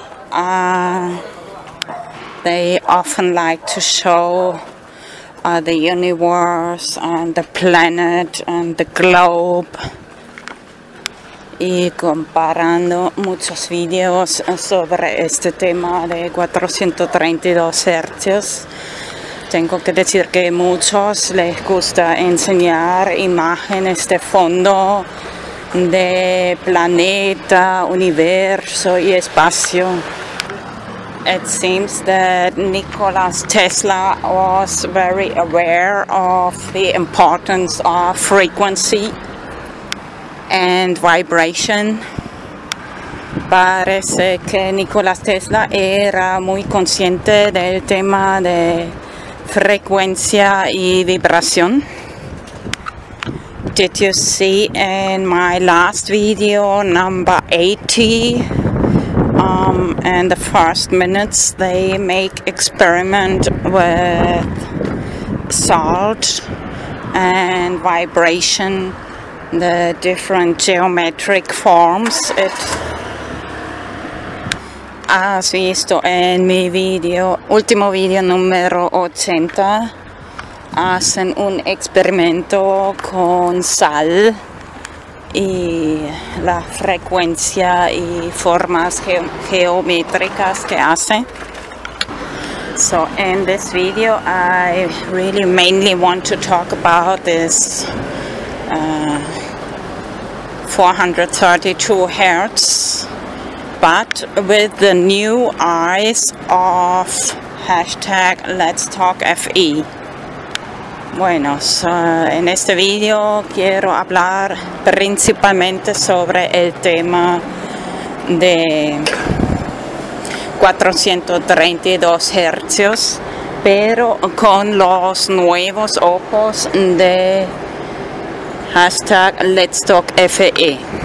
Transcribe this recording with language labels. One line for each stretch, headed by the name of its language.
English: They often like to show the universe and the planet and the globe,
Spanish: y comparando muchos videos sobre este tema de 432 hertz. Tengo que decir que muchos les gusta enseñar imágenes de fondo de planeta, universo y espacio.
English: It seems that Nikola Tesla was very aware of the importance of frequency and vibration.
Spanish: Parece que Nikola Tesla era muy consciente del tema de frecuencia y vibración.
English: Did you see in my last video, number 80, and the first minutes, they make experiment with salt and vibration, the different geometric forms. It has
Spanish: visto
English: in my video,
Spanish: último video número 80, hacen un experimento con sal y la frecuencia y formas geométricas que hace.
English: So in this video I really mainly want to talk about this 432 hertz, but with the new eyes of hashtag LetsTalkFE.
Spanish: Bueno, en este video quiero hablar principalmente sobre el tema de 432 hertz, pero con los nuevos ojos de hashtag LetsTalkFE.